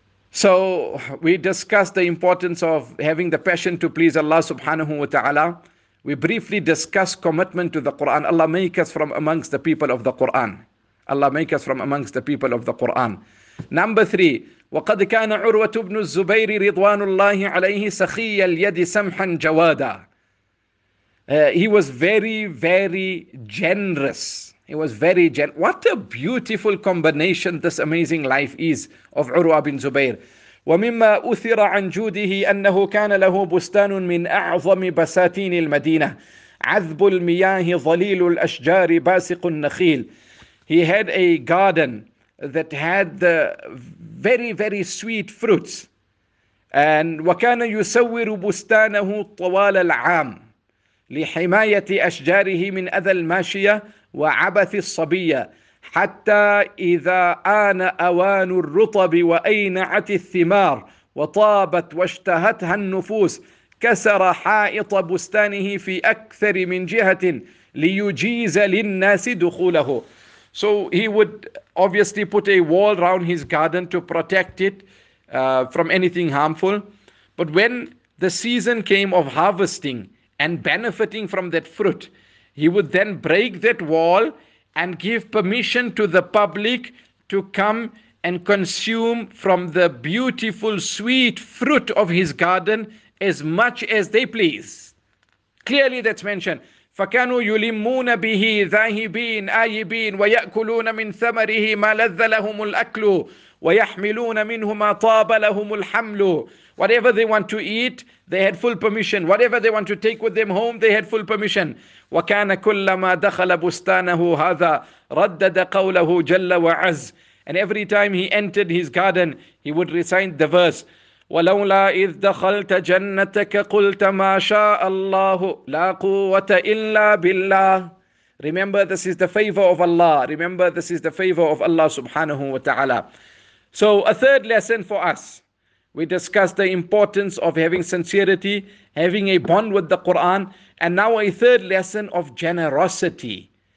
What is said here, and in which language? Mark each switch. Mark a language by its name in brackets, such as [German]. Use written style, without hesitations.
[English] So we discussed the importance of having the passion to please Allah subhanahu wa ta'ala. We briefly discussed commitment to the Quran. Allah make us from amongst the people of the Quran. Allah make us from amongst the people of the Quran. Number three, [Arabic] وَقَدْ كَانَ عُرْوَةُ بْنُ الزُّبَيْرِ رِضْوَانُ اللَّهِ عَلَيْهِ سَخِيَّ الْيَدِ سَمْحًا جَوَادًا. [English] He was very, very generous. He was very gentle. What a beautiful combination this amazing life is of Urwah bin Zubayr. [Arabic] وَمِمَّا أُثِرَ عَنْ جُودِهِ أَنَّهُ كَانَ لَهُ بُسْتَانٌ مِنْ أَعْظَمِ بَسَاتِينِ الْمَدِينَةِ عَذْبُ الْمِيَاهِ ظَلِيلُ الْأَشْجَارِ بَاسِقُ النَّخِيلِ. [English] He had a garden that had the very, very sweet fruits. [Arabic] And وَكَانَ يُسَوِّرُ بُسْتَانَهُ طَوَالَ الْعَامِ لِحِمَايَةِ أَشْجَارِهِ مِنْ أَذَى الْمَاشِيَةِ وَعَبَثِ الصَّبِيَّةِ حتى إذا آن أوان الرطب وأينعت الثمار وطابت واشتهتها النفوس كسر حائط بستانه في أكثر من جهة ليجيز للناس دخوله. [English] So he would obviously put a wall around his garden to protect it from anything harmful. But when the season came of harvesting and benefiting from that fruit, he would then break that wall and give permission to the public to come and consume from the beautiful, sweet fruit of his garden as much as they please. Clearly that's mentioned. [Arabic] فَكَانُوا يُلِمُّونَ بِهِ ذَاهِبِينَ آيِبِينَ وَيَأْكُلُونَ مِنْ ثَمَرِهِ مَا لَذَّ لَهُمُ الْأَكْلُ وَيَحْمِلُونَ مِنْهُ مَا طَابَ لَهُمُ الْحَمْلُ. [English] Whatever they want to eat, they had full permission. Whatever they want to take with them home, they had full permission. [Arabic] وَكَانَ كُلَّمَا دَخَلَ بُسْتَانَهُ هَذَا رَدَّدَ قَوْلَهُ جَلَّ وَعَزْ. [English] And every time he entered his garden, he would recite the verse. [Arabic] ولولا إذ دخلت جنتك قلت ما شاء الله لا قوة إلا بالله. [English] Remember, this is the favor of Allah. Remember, this is the favor of Allah subhanahu wa ta'ala. So a third lesson for us. We discussed the importance of having sincerity, having a bond with the Quran, and now a third lesson of generosity.